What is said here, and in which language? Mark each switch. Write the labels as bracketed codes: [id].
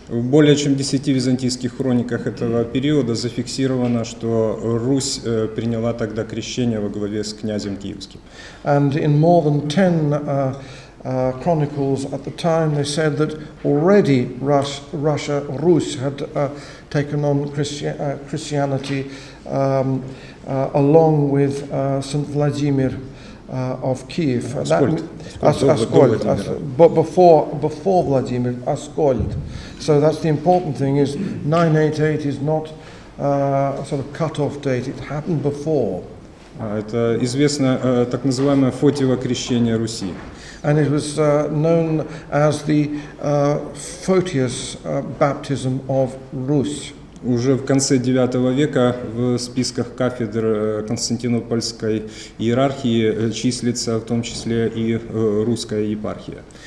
[ru] В более чем 10 византийских хрониках этого периода зафиксировано, что Русь приняла тогда крещение во главе с князем Киевским. [en] And in more than 10 chronicles at the time, they said that already Rus had taken on Christianity along with Saint Vladimir of Kiev. Before Vladimir, Askold. So that's the important thing, is 988 is not a sort of cut-off date, it happened before. [ru] Это известно так называемое Фотиево крещение Руси. [en] And it was known as the Photius baptism of Rus. [ru] Уже в конце IX века в списках кафедр Константинопольской иерархии числится в том числе и русская епархия.